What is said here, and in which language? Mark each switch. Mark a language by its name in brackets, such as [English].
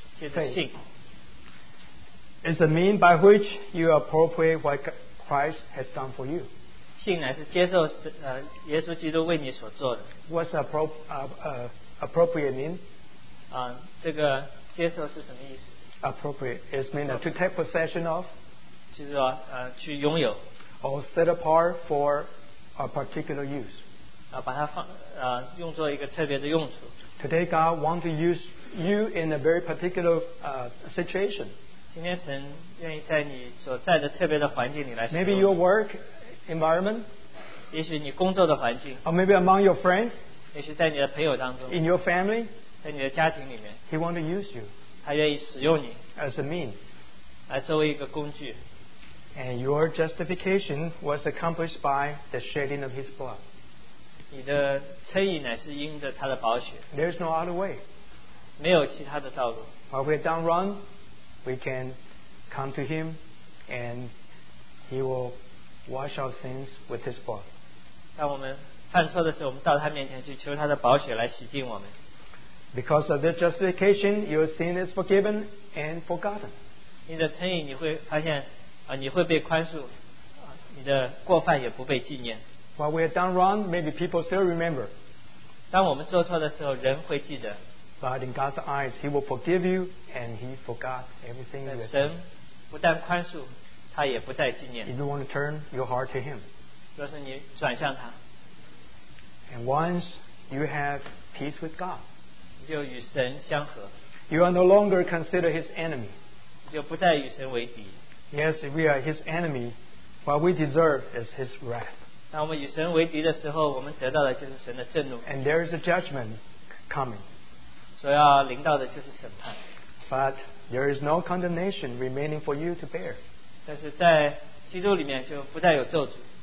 [English] faith is a mean by which you appropriate what Christ has done for you. [Chinese] 信乃是接受耶稣基督为你所做的。 [English] What's appropriate mean? [Chinese] 这个接受是什么意思? [English] Appropriate is mean to take possession of. [Chinese] 就是去拥有。 [English] Or set apart for a particular use. [Chinese] 把它用作一个特别的用处。 [English] Today God wants to use you in a very particular situation. [Chinese] 今天神愿意在你所在的特别的环境里来使用。 [English] Maybe your work environment. [Chinese] 也许你工作的环境。 [English] Or maybe among your friends. [Chinese] 也许在你的朋友当中。 [English] In your family. [Chinese] 在你的家庭里面。 [English] He wants to use you. [Chinese] 他愿意使用你。 [English] As a mean. [Chinese] 来作为一个工具。 [English] And your justification was accomplished by the shedding of His blood. [Chinese] 你的称义乃是因着他的宝血。 [English] There is no other way. [Chinese] 没有其他的道路。 [English] While we're down run, we can come to Him and He will wash our sins with His blood. [Chinese] 当我们犯错的时候，我们到他面前去求他的宝血来洗净我们。 [English] Because of this justification, your sin is forgiven and forgotten. [Chinese] 你的称义你会发现，你会被宽恕，你的过犯也不被纪念。 [English] While we are done wrong, maybe people still remember. [Chinese] 当我们做错的时候，人会记得。 [English] But in God's eyes, He will forgive you and He forgot everything you have done. [Chinese] 神不但宽恕，他也不再纪念。 [English] If you want to turn your heart to Him. [Chinese] 若是你转向他。 [English] And once you have peace with God. [Chinese] 你就与神相合。 [English] You are no longer considered His enemy. [Chinese] 你就不再与神为敌。 [English] Yes, if we are His enemy, what we deserve is His wrath. [Chinese] 当我们与神为敌的时候，我们得到的就是神的震怒。 [English] And there is a judgment coming. [Chinese] 所要临到的就是审判。 [English] But there is no condemnation remaining for you to bear. [Chinese] 但是在基督里面就不再有咒诅。